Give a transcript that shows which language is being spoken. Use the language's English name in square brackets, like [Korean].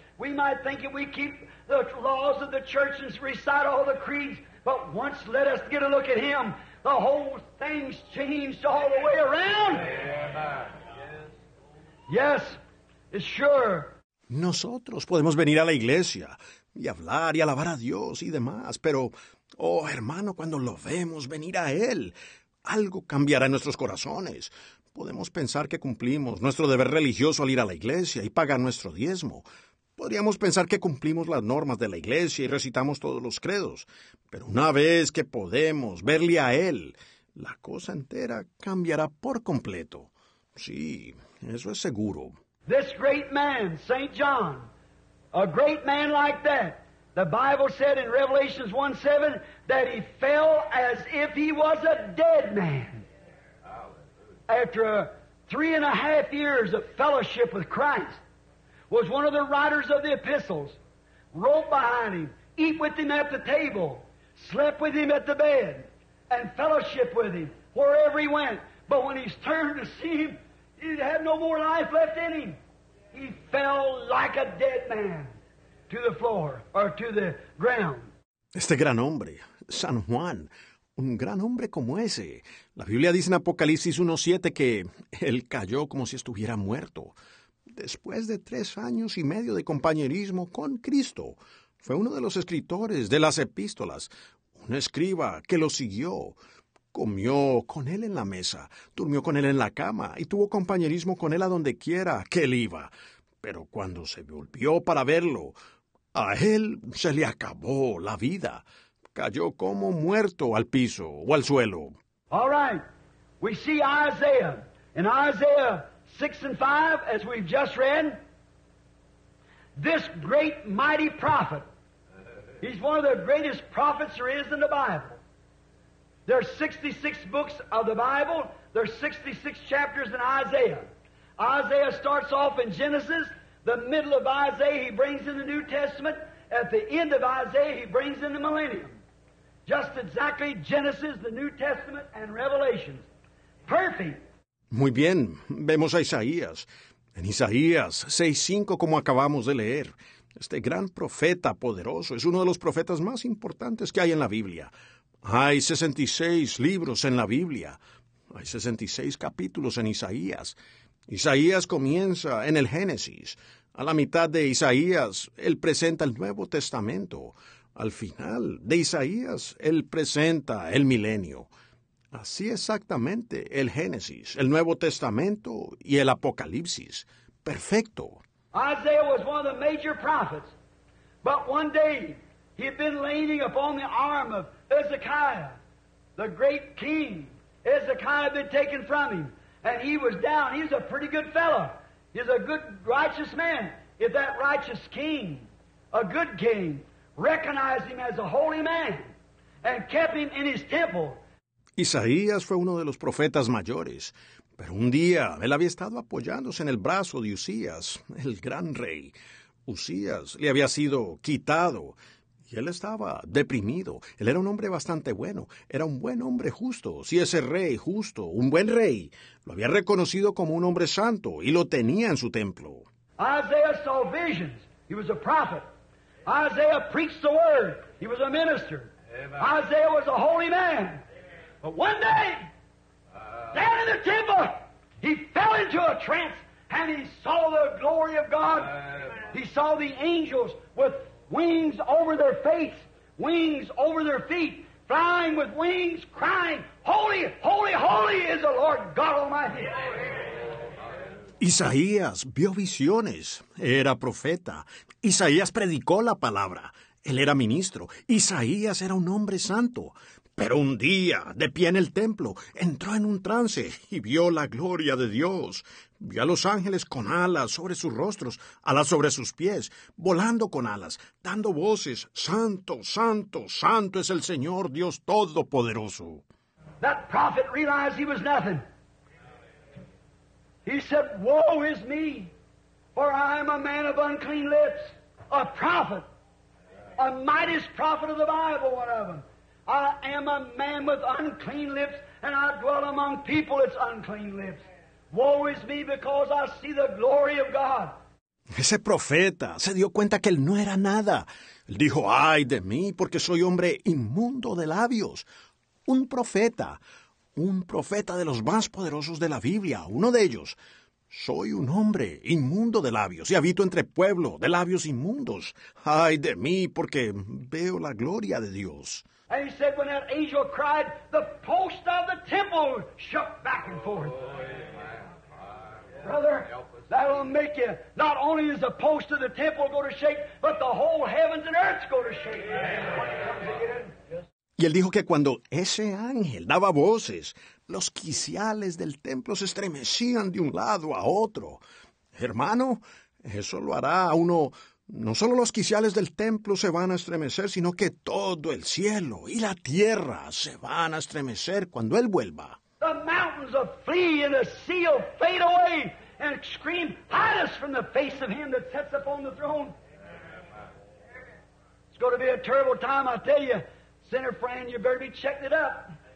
[English] We might think that we keep the laws of the church and recite all the creeds, but once let us get a look at him, the whole thing's changed all the way around. Yes, it's sure. [Spanish] Nosotros podemos venir a la iglesia y hablar y alabar a Dios y demás, pero, oh, hermano, cuando lo vemos venir a Él, algo cambiará en nuestros corazones. Podemos pensar que cumplimos nuestro deber religioso al ir a la iglesia y pagar nuestro diezmo. Podríamos pensar que cumplimos las normas de la iglesia y recitamos todos los credos, pero una vez que podemos verle a Él, la cosa entera cambiará por completo. Sí, eso es seguro. [English] This great man, St. John, a great man like that, the Bible said in Revelations 1:7 that he fell as if he was a dead man. After 3.5 years of fellowship with Christ, was one of the writers of the epistles, wrote behind him, eat with him at the table, slept with him at the bed, and fellowship with him wherever he went. But when he's turned to see him, he had no more life left in him. He fell like a dead man to the floor or to the ground. [Spanish] Este gran hombre, San Juan, un gran hombre como ese. La Biblia dice en Apocalipsis 1:7 que él cayó como si estuviera muerto. Después de 3 años y medio de compañerismo con Cristo, fue uno de los escritores de las epístolas, un escriba que lo siguió. Comió con él en la mesa, durmió con él en la cama y tuvo compañerismo con él a donde quiera que él iba. Pero cuando se volvió para verlo, a él se le acabó la vida. Cayó como muerto al piso o al suelo. [English] All right, we see Isaiah. In Isaiah 6 and 5, as we've just read, this great mighty prophet, he's one of the greatest prophets there is in the Bible. There are 66 books of the Bible. There are 66 chapters in Isaiah. Isaiah starts off in Genesis. The middle of Isaiah, he brings in the New Testament. At the end of Isaiah, he brings in the millennium. Just exactly Genesis, the New Testament, and Revelation. Perfect. [Spanish] Muy bien. Vemos a Isaías. En Isaías 6:5, como acabamos de leer, este gran profeta poderoso es uno de los profetas más importantes que hay en la Biblia. Hay 66 libros en la Biblia. Hay 66 capítulos en Isaías. Isaías comienza en el Génesis. A la mitad de Isaías, él presenta el Nuevo Testamento. Al final de Isaías, él presenta el milenio. Así exactamente el Génesis, el Nuevo Testamento y el Apocalipsis. Perfecto. [English] Isaiah was one of the major prophets, but one day he had been leaning upon the arm of Hezekiah, the great king. Hezekiah had been taken from him, and he was down. He was a pretty good fellow. He was a good, righteous man. If that righteous king, a good king, recognized him as a holy man and kept him in his temple. [Spanish] Isaías fue uno de los profetas mayores, pero un día él había estado apoyándose en el brazo de Usías, el gran rey. Usías le había sido quitado. Y él estaba deprimido. Él era un hombre bastante bueno. Era un buen hombre justo. Sí, ese rey justo, un buen rey, lo había reconocido como un hombre santo y lo tenía en su templo. [English] Isaiah saw visions. He was a prophet. Isaiah preached the word. He was a minister. Amen. Isaiah was a holy man. But one day, down in the temple, he fell into a trance And he saw the glory of God. He saw the angels with wings over their face, wings over their feet, flying with wings, crying, "Holy, holy, holy is the Lord God Almighty." [Spanish] Isaías vio visiones. Era profeta. Isaías predicó la palabra. Él era ministro. Isaías era un hombre santo. Pero un día, de pie en el templo, entró en un trance y vio la gloria de Dios. Vio a los ángeles con alas sobre sus rostros, alas sobre sus pies, volando con alas, dando voces, "Santo, santo, santo es el Señor Dios Todopoderoso." [English] That prophet realized he was nothing. He said, "Woe is me, for I am a man of unclean lips, a prophet, a mightiest prophet of the Bible, one of them. I am a man with unclean lips, and I dwell among people that's unclean lips. Woe is me, because I see the glory of God." [Spanish] Ese profeta se dio cuenta que él no era nada. Él dijo, "Ay de mí, porque soy hombre inmundo de labios." Un profeta de los más poderosos de la Biblia, uno de ellos. "Soy un hombre inmundo de labios y habito entre pueblo de labios inmundos. Ay de mí, porque veo la gloria de Dios." [English] And he said, when that angel cried, the post of the temple shook back and forth. Oh, brother, that'll make you, not only is the post of the temple going to shake, but the whole heavens and earth's going to shake. Yeah. [Spanish] Y él dijo que cuando ese ángel daba voces, los quiciales del templo se estremecían de un lado a otro. Hermano, eso lo hará a uno. No solo los quiciales del templo se van a estremecer, sino que todo el cielo y la tierra se van a estremecer cuando él vuelva. [English] The mountains will flee and the sea will fade away and scream, "Hide us from the face of him that sits upon the throne." It's going to be a terrible time, I tell you. Sinner friend, you better be checking it up.